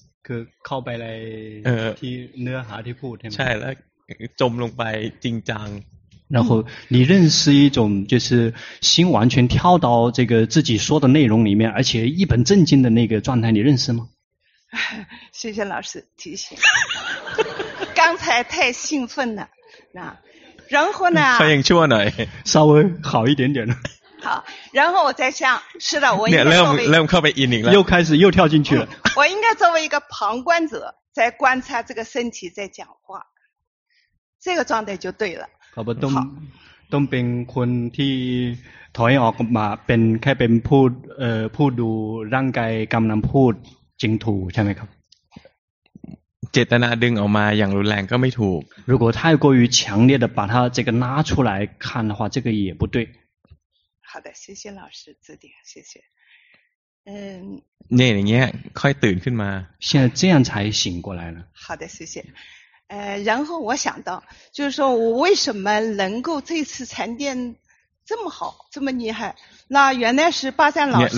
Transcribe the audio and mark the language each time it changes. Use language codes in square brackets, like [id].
[th] คือเข้าไปในที่เนื้อหาที่พูดใช่ไหมใช่แล้วจมลงไปจริงจัง [zh] 然后你认识一种就是心完全跳到这个自己说的内容里面，而且一本正经的那个状态，你认识吗？谢谢老师提醒，刚才太兴奋了，那。然后呢？欢迎去我那，稍微好一点点了。好，然后我再想，是的，我应该作为又开始又跳进去了。我应该作为一个旁观者，在观察这个身体在讲话，这个状态就对了。好吧，都好。 [th] ต้องเป็นคนที่ถอยออกมาเป็นแค่เป็นพูดพูดดูร่างกายกำลังพูดจริงถูกใช่ไหมครับ เจตนาดึงออกมาอย่างรุนแรงก็ไม่ถูก [zh] 如果太过于强烈的把它这个拉出来看的话这个也不对好的谢谢老师指点谢谢 [th] เนี่ยอย่างเงี้ยค่อยตื่นขึ้นมา [zh] 现在这样才醒过来了好的谢谢然后我想到就是说我为什么能够这次禅定这么好这么厉害那原来是巴山老师